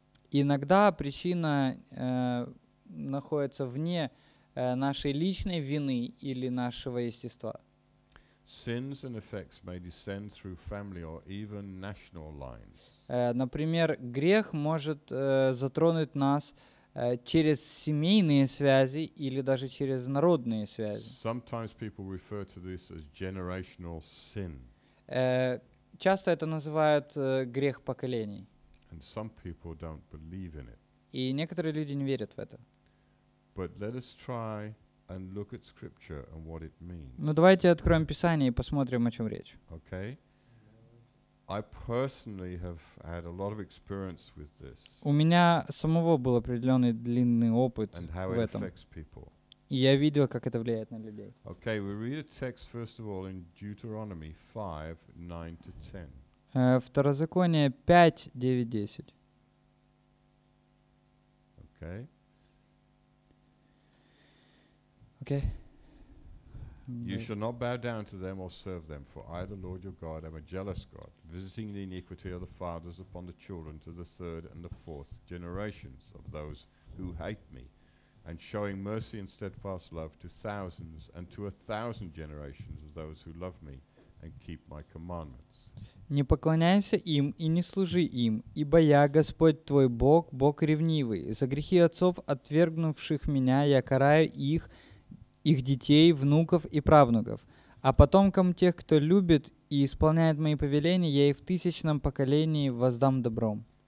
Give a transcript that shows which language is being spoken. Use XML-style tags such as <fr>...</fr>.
<ru>Иногда причина находится вне нашей личной вины или нашего естества.</ru> <en>Sins and effects may descend through family or even national lines.</en> <ru>Например, грех может затронуть нас через семейные связи или даже через народные связи.</ru> <en>Sometimes people refer to this as generational sin.</en> <ru>Часто это называют грех поколений.</ru> <en>And some people don't believe in it.</en> <ru>И некоторые люди не верят в это.</ru> <en>But let us try and look at scripture and what it means.</en> <ru>Но давайте откроем Писание и посмотрим, о чем речь.</ru> <en>Okay. I personally have had a lot of experience with this.</en> <ru>У меня самого был определенный длинный опыт в этом. И я видел, как это влияет на людей.</ru> <en>Okay, we read a text first of all in Deuteronomy 5:9-10.</en> <ru>Второзаконие 5:9-10.</ru> <en>Okay. Okay. You shall not bow down to them or serve them, for I, the Lord your God, am a jealous God, visiting the iniquity of the fathers upon the children to the third and the fourth generations of those who hate me, and showing mercy and steadfast love to thousands and to a thousand generations of those who love me and keep my commandments.</en> <ru>Не поклоняйся им и не служи им, ибо я, Господь твой Бог, Бог ревнивый. За грехи отцов, отвергнувших меня, я караю их, их детей, внуков и правнуков. А потомкам тех, кто любит и исполняет мои повеления, я и в тысячном поколении воздам добром.</ru>